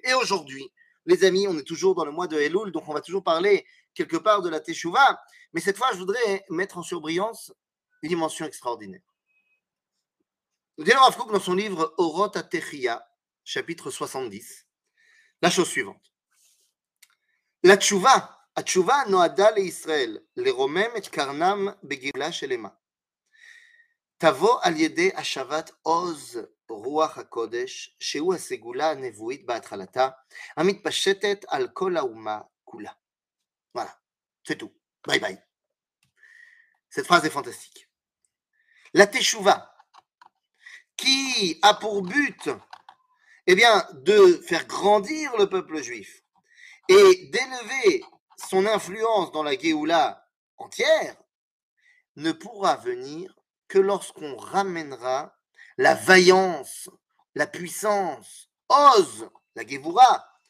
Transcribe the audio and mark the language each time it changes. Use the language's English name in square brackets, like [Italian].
[French] Et aujourd'hui, les amis, on est toujours dans le mois de Elul, donc on va toujours parler quelque part de la Teshuvah. Mais cette fois, je voudrais mettre en surbrillance une dimension extraordinaire. Dit le Rav Kouk dans son livre Orot HaTechiya, chapitre 70, la chose suivante. La Teshuvah. [Hebrew] התשובה נועדה לישראל לרומם את קרנם בגבלה שלמה. תבוא על ידי השבת עוז רוח הקודש, שהוא הסגולה הנבואית בהתחלתה, המתפשטת על כל האומה כולה. [French] וואלה, c'est tout. Bye bye. Cette phrase est fantastique. La teshuva, qui a pour but, eh bien, de faire grandir le peuple juif et d'élever son influence dans la Géoula entière ne pourra venir que lorsqu'on ramènera la vaillance, la puissance, Oz, la Gevura,